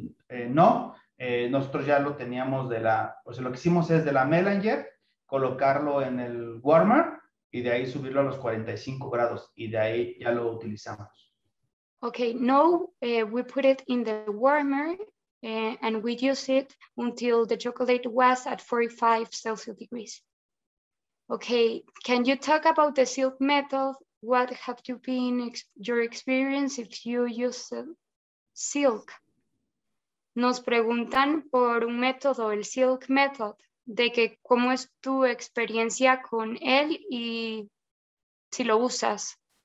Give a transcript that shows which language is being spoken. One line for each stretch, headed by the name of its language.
Spanish: No, nosotros ya lo teníamos de la, o sea, lo que hicimos es de la melanger, colocarlo en el warmer y de ahí subirlo a los 45 grados y de ahí ya lo utilizamos.
English: Okay, no, we put it in the warmer and we use it until the chocolate was at 45 Celsius degrees. Okay, can you talk about the silk method? What have you been your experience if you use silk?
Spanish: Nos preguntan por un método, el silk method, de que cómo es tu experiencia con él y si lo usas.